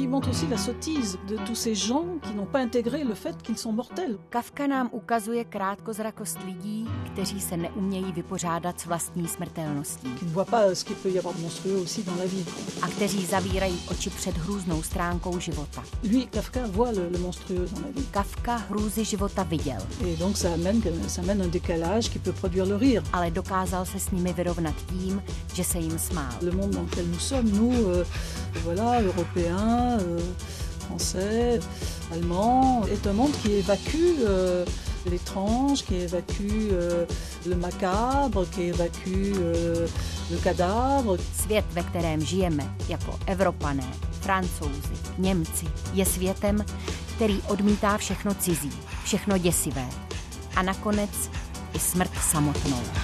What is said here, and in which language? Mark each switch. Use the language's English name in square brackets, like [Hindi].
[French] Aussi la sottise de tous ces gens qui n'ont pas intégré le fait qu'ils sont mortels. [Czech] Kafka nám ukazuje krátkozrakost lidí, kteří se neumějí vypořádat s vlastní smrtelností. [French] Qui ne voient pas ce qu'il peut y avoir de monstrueux aussi dans la vie. [Czech] A kteří zavírají oči před hrůznou stránkou života. [French] Lui, Kafka voit le monstrueux dans la vie. [Czech] Kafka hrůzy života viděl. [French] Et donc ça amène un décalage qui peut produire le rire. [Czech] Ale dokázal se s nimi vyrovnat tím, že se jim smál. [French] Le monde dans lequel nous sommes, nous, voilà, européens, français, allemand, est un monde qui évacue l'étrange, qui évacue le macabre, qui évacue le cadavre. [Czech] Svět, ve kterém žijeme jako Evropané, Francouzi, Němci, je světem, který odmítá všechno cizí, všechno děsivé a nakonec i smrt samotnou.